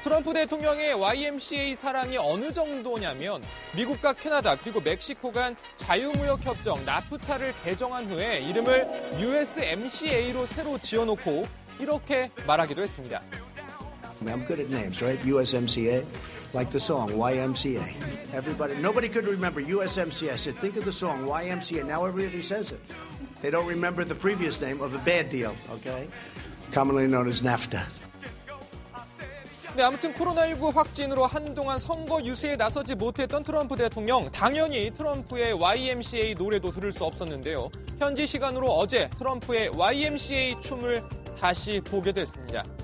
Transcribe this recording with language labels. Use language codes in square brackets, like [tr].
[ko] 트럼프 대통령의 YMCA 사랑이 어느 정도냐면 미국과 캐나다 그리고 멕시코 간 자유무역협정 나프타를 개정한 후에 이름을 USMCA로 새로 지어놓고 이렇게 말하기도 했습니다. [en] I'm good at names, right? USMCA, like the song YMCA. Everybody, nobody could remember USMCA. I said, think of the song YMCA. Now everybody says it. They don't remember the previous name of a bad deal, okay? Commonly known as NAFTA. [ko] 네, 아무튼 코로나19 확진으로 한동안 선거 유세에 나서지 못했던 트럼프 대통령. 당연히 트럼프의 YMCA 노래도 들을 수 없었는데요. 현지 시간으로 어제 트럼프의 YMCA 춤을 다시 보게 됐습니다.